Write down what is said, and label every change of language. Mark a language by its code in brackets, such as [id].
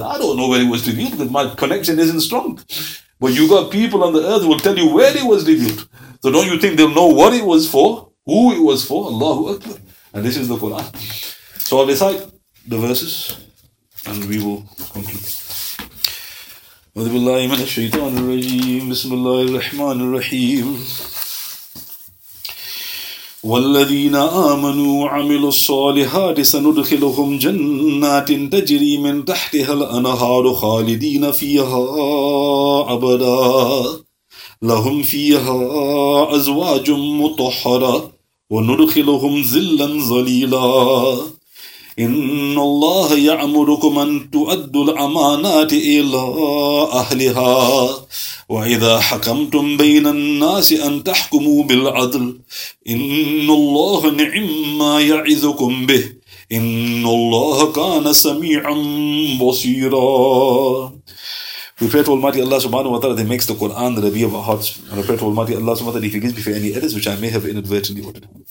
[en] I don't know where it was revealed, because my connection isn't strong. But you got people on the earth who will tell you where it was revealed. So don't you think they'll know what it was for, who it was for? Allahu Akbar. And this is the Quran. So I'll recite the verses and we will conclude. [ar] أعوذ بالله من الشيطان الرجيم بسم الله الرحمن الرحيم والذين آمنوا وعملوا الصالحات سندخلهم جنات تجري من تحتها الأنهار خالدين فيها أبدا لهم فيها أزواج مطهرة وندخلهم ظلا ظليلا إِنَّ اللَّهَ يَعْمُرُكُمْ أَن تُؤَدُّوا الْأَمَانَاتِ إِلَىٰ أَهْلِهَا وَإِذَا حَكَمْتُمْ بَيْنَ النَّاسِ أَن تَحْكُمُوا بِالْعَدْلِ إِنَّ اللَّهَ نِعِمَّا يَعِظُكُم بِهِ إِنَّ اللَّهَ كَانَ سَمِيعًا بَصِيرًا. [en] We pray to Almighty Allah subhanahu wa ta'ala that He makes the Quran the Rabi of our hearts. And I pray to Almighty Allah subhanahu wa ta'ala that He forgives me for any errors which I may have inadvertently uttered.